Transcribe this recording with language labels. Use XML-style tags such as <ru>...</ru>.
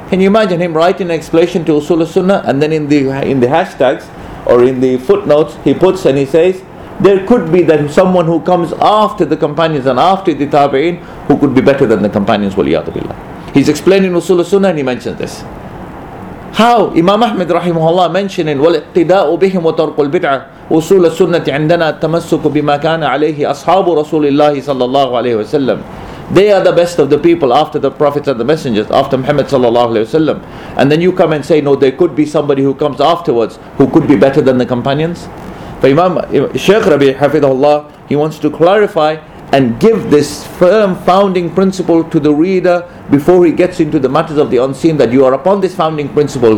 <en>Can you imagine him writing an explanation to Usul al-Sunnah, and then in the hashtags or in the footnotes he puts and he says, there could be that someone who comes after the companions and after the Tabi'in who could be better than the companions, waliyadu billah. He's explaining Usul al-Sunnah and he mentions this. How? Imam Ahmed rahimahullah mentioning,</en> <ar>وَالْاِقْتِدَاءُ بِهِمْ وَتَرْقُ الْبِدْعَةِ وَسُولَ السُنَّةِ عِنْدَنَا التَّمَسُّكُ بِمَا كَانَ عَلَيْهِ أَصْحَابُ رَسُولِ اللَّهِ صَلَّى اللَّهُ عَلَيْهِ وَسَلَّمْ.</ar> <en>They are the best of the people after the prophets and the messengers, after Muhammad sallallahu alayhi wa sallam. And then you come and say, no, there could be somebody who comes afterwards who could be better than the companions. But Imam Shaykh Rabi Hafidhullah, he wants to clarify and give this firm founding principle to the reader before he gets into the matters of the unseen, that you are upon this founding principle.</en>